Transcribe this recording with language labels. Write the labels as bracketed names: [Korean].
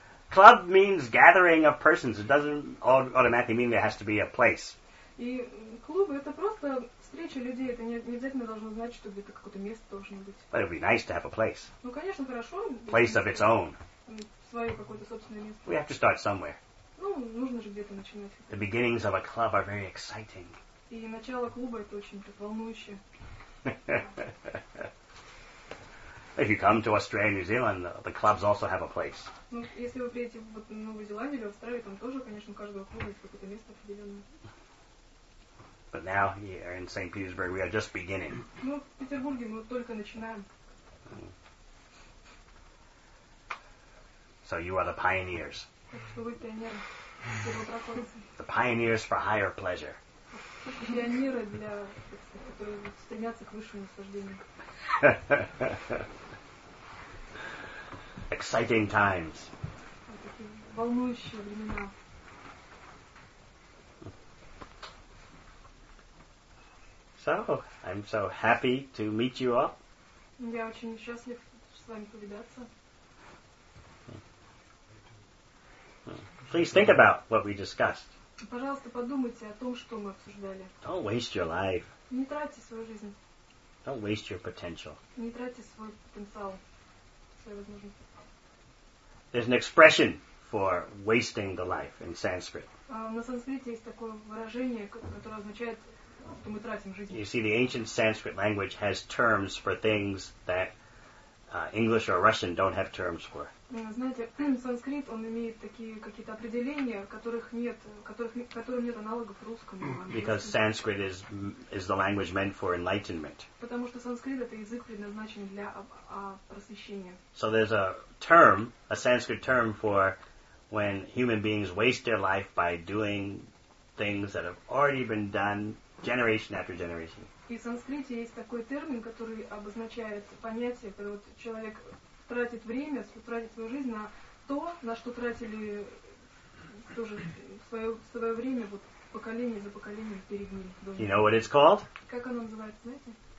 [English] Club means gathering of persons. It doesn't automatically mean there has to be a place. [Russian] И клуб это просто встреча людей. Это не обязательно должно значить, что где-то какое-то место должно быть. [English] But it'd be nice to have a place. [Russian] Ну, конечно, хорошо. [English] Place of its own. [Russian] Свое какое-то собственное место. [English] We have to start somewhere. [Russian] Ну, нужно же где-то начинать. [English] The beginnings of a club are very exciting. [Russian] И начало клуба это очень так волнующе. [English] If you come to Australia and New Zealand, the clubs also have a place. [Russian] Ну, если вы приедете в Новую Зеландию или Австралию, там тоже, конечно, у каждого клуба есть какое-то место определенное. [English] But now here in St. Petersburg, we are just beginning. [Russian] Ну, в Петербурге мы только начинаем. [English] So you are the pioneers. [Russian] Так что вы пионеры, первопроходцы. [English] The pioneers for higher pleasure. [Russian] Пионеры для, которые стремятся к высшему наслаждению. [English] Exciting times. [Russian] Волнующие времена. [English] So, I'm so happy to meet you all. [Russian] Я очень счастлив с вами повидаться. [English] Please think about what we discussed. [Russian] Пожалуйста, подумайте о том, что мы обсуждали. [English] Don't waste your life. [Russian] Не тратьте свою жизнь. [English] Don't waste your potential. [Russian] Не тратьте свой потенциал, свои возможности. [English] There's an expression for wasting the life in Sanskrit. [Russian] На санскрите есть такое выражение, которое означает, что мы тратим жизнь. [English] You see, the ancient Sanskrit language has terms for things that English or Russian don't have terms for. [Russian] Знаете, санскрит, он имеет такие какие-то определения, которым нет аналогов русскому. [English] Because Sanskrit is the language meant for enlightenment. [Russian] Потому что санскрит это язык предназначен для просвещения. [English] So there's a term, a Sanskrit term for when human beings waste their life by doing things that have already been done generation after generation. [Russian] И в санскрите есть такой термин, который обозначает понятие, когда вот человек тратит время, тратит свою жизнь на то, на что тратили тоже свое время вот поколение за поколением перед ним. [English] You know what it's called? [Russian] Как оно называется, знаете?